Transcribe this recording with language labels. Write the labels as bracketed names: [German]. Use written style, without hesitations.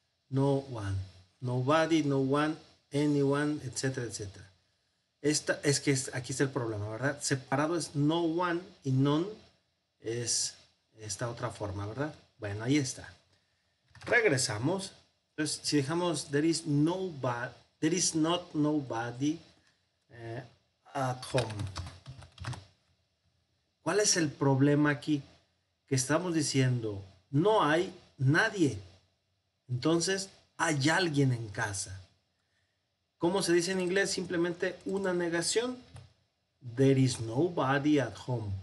[English] No one. Nobody, no one, anyone, etcétera, etcétera. [Spanish] Esta es que es, aquí está el problema, ¿verdad? Separado es no one y none es esta otra forma, ¿verdad? Bueno, ahí está. regresamos. Entonces, si dejamos [English] there is not nobody at home. [Spanish] ¿Cuál es el problema aquí? Que estamos diciendo no hay nadie. Entonces, hay alguien en casa. ¿Cómo se dice en inglés? Simplemente una negación. [English] There is nobody at home.